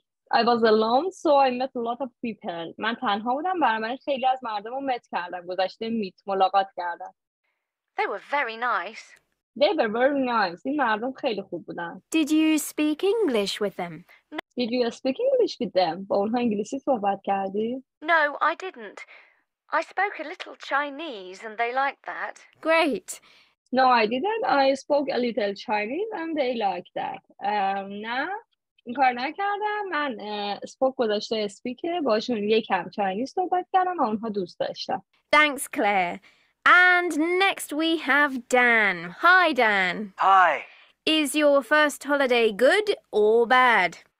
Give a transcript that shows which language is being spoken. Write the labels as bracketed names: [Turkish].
[English] I was alone, so I met a lot of people. [Persian] من تنها بودم. برای من خیلی از مردم رو مت کردم. گذشته میت. ملاقات کردم. [English] They were very nice. They were very nice. [Persian] این مردم خیلی خوب بودن. [English] Did you speak English with them? No. Did you speak English with them? [Persian] با اونها انگلیسی صحبت کردی؟ [English] No, I didn't. I spoke a little Chinese and they liked that. Great. No, I didn't. I spoke a little Chinese and they liked that. [Persian] نه، این کار نکردم. من spoke گذاشته speaker باشون یکم Chinese صحبت کردم و اونها دوست داشتم. [English] Thanks, Claire. And next we have Dan. Hi, Dan. Hi. Is your first holiday good or bad?